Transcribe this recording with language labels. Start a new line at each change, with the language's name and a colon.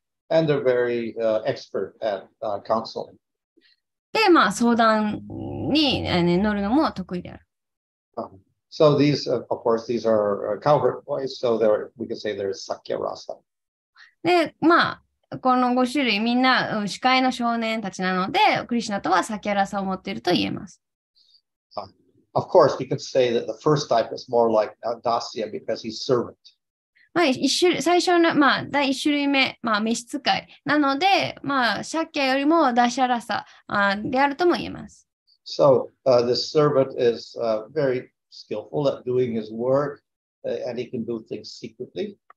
English: And they're very expert at counseling.
Japanese: で、まあ、相談に、乗るのも得意である。
English: So these, of course, these are cowherd boys, so there, we can say there's Sakya Rasa.
Japanese: で、まあ、この5種類、みんな、司会の少年たちなので、クリシナとはサキャラサを持っていると言えます。
English: Of course, we could say that the first type is more like Dasya because he's servant.
Japanese: まあ一種最初のまあ第一種類目まあ召使いなのでまあシャッキャよりもダシャラサであるとも言えます。
English: So the servant is very skillful at doing his work, and he can do things secretly.